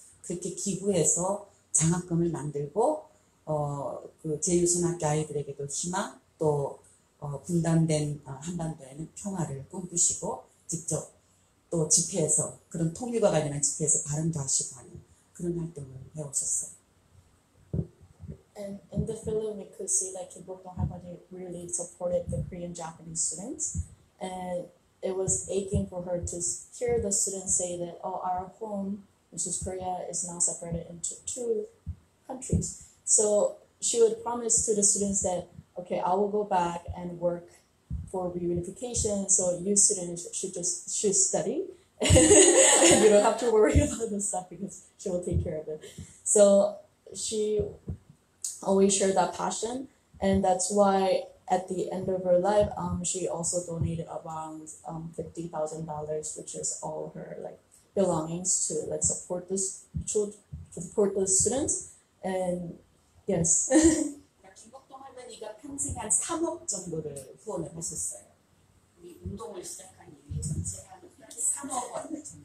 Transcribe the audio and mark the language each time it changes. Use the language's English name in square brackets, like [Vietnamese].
[Korean] 그렇게 기부해서 장학금을 만들고 그 제1순학교 아이들에게도 희망 또 분단된 한반도에는 평화를 꿈꾸시고 직접 또 집회에서 그런 통일과 관련한 집회에서 발언도 하시고 하는 그런 활동을 해오셨어요. [English] And in the film, we could see that Kim Bok Dong Harmony really supported the Korean-Japanese students. And it was aching for her to hear the students say that, oh, our home, which is Korea, is now separated into two countries. So she would promise to the students that, okay, I will go back and work for reunification. So you students should study. And you don't have to worry about this stuff because she will take care of it. So she always share that passion, and that's why at the end of her life, she also donated around $50,000, which is all her like belongings to like support the students. And yes, [Korean] 김복동 할머니가 평생 한 3억 정도를 후원을 하셨어요. 우리 운동을 시작한 이후에 전체 한 3억 원